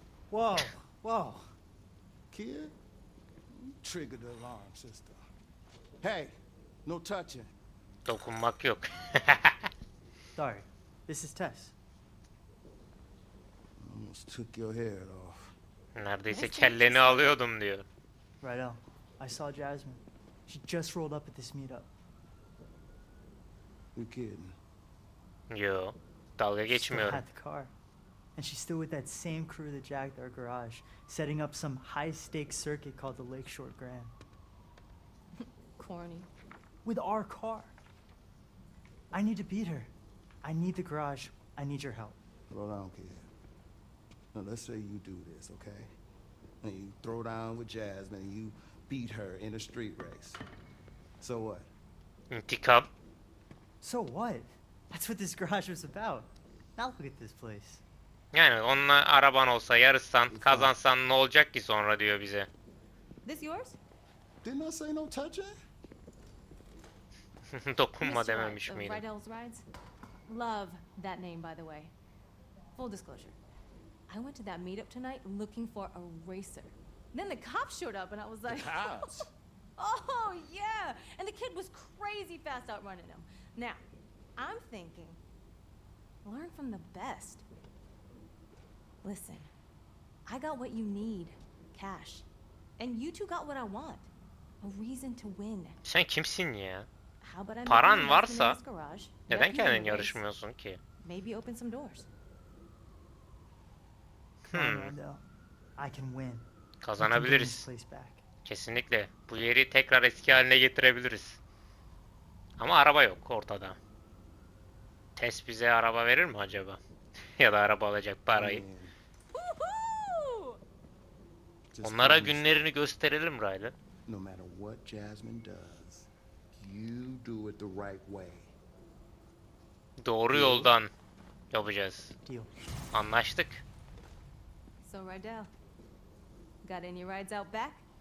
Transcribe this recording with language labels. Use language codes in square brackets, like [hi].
[en] Whoa, whoa. Kid, you triggered the alarm system. Hey, no touching. [tr] Dokunmak yok. [en] Sorry, this is Tess. Almost took your head off. [tr] Neredeyse kelleni alıyordum diyor. [en] Right on. I saw Jasmine. She just rolled up at this meetup. You kidding? [tr] Yo, dalga geçmiyorum. [en] She had the car, and she's still with that same crew that jacked our garage, setting up some high-stakes circuit called the Lakeshore Grand. Corny. With our car. I need to beat her. I need the garage. I need your help. Hold on, kid. Now let's say you do this, okay? And you throw down with Jasmine, and you beat her in a street race. So what? [tr] Intikam. [en] So what? That's what this garage was about. Now look at this place. [tr] Yani onunla araban olsa, yarışsan, kazansan ne olacak ki sonra diyor bize. [en] This yours? Didn't I say no touching? [tr] Dokunma dememiş miydim? [en] Rydell's Rides? Love that name, by the way. Full disclosure. I went to that meetup tonight looking for a racer. Then the cops showed up and I was like... The cops? Oh, yeah! And the kid was crazy fast outrunning him. Now... I'm thinking, learn from the best. Listen, I got what you need, cash. And you two got what I want, a reason to win. [tr] Sen kimsin ya? Paran varsa, neden kendin yarışmıyorsun ki? [en] Maybe open some doors. I can win. [tr] Kazanabiliriz. Kesinlikle, bu yeri tekrar eski haline getirebiliriz. Ama araba yok ortada. Tess bize araba verir mi acaba? Ya da araba alacak parayı. Onlara günlerini gösterelim Riley. [en] No matter what Jasmine does, you do it the right way. [tr] Doğru yoldan yapacağız. Anlaştık. [en] So Riley, got any rides out back?